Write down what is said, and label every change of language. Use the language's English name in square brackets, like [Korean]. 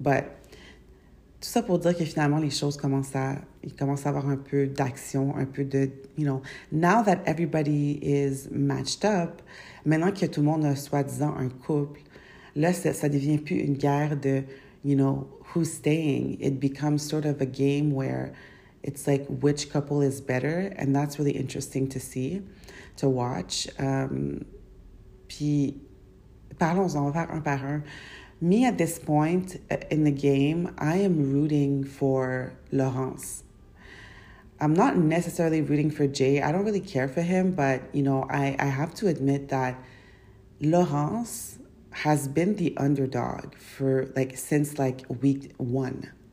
[French] But tout ça pour dire que finalement, les choses commencent à avoir un peu d'action, un peu de, [English] you know, now that everybody is matched up, [French] maintenant que tout le monde a soi-disant un couple, là, ça devient plus une guerre de, [English] you know, who's staying. It becomes sort of a game where it's like, which couple is better? And that's really interesting to see, to watch. [French] Puis, parlons-en, on va faire un par un. [English] Me, at this point in the game, I am rooting for Laurence. I'm not necessarily rooting for Jay. I don't really care for him, but, you know, I have to admit that Laurence has been the underdog for, like, since, like, week one.